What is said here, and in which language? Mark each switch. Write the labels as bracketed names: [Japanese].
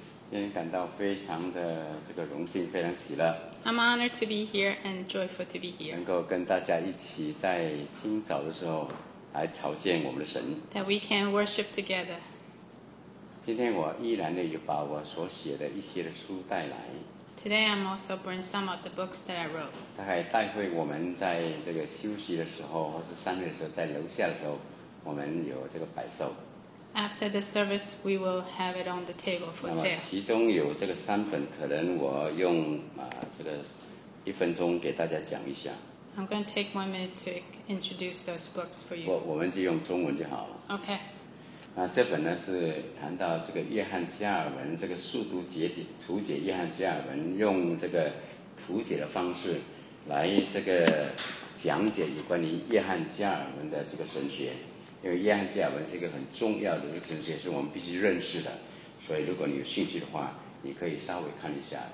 [Chinese] 今天感到非常的这个荣幸，非常喜乐。 [English] I'm honored to be here and joyful to be here. [Chinese] 能够跟大家一起在今早的时候来朝见我们的神。 [English] That we can worship together. [Chinese] 今天我依然的有把我所写的一些的书带来。 [English] Today I'm also bringing some of the books that I wrote. [Chinese] 大概待会我们在这个休息的时候，或是散会的时候，在楼下的时候，我们有这个摆售。 [English] After the service, we will have it on the table for sale. [Chinese] 其中有这个三本，可能我用这个一分钟给大家讲一下。 [English] I'm going to take 1 minute to introduce those books for you. [Chinese] 我们就用中文就好了。 [English] Okay. [Chinese] 这本呢是谈到这个约翰加尔文这个速读解体图解，约翰加尔文用这个图解的方式来这个讲解有关于约翰加尔文的这个神学。因为约翰加尔文是一个很重要的神学，是我们必须认识的，所以如果你有兴趣的话，你可以稍微看一下。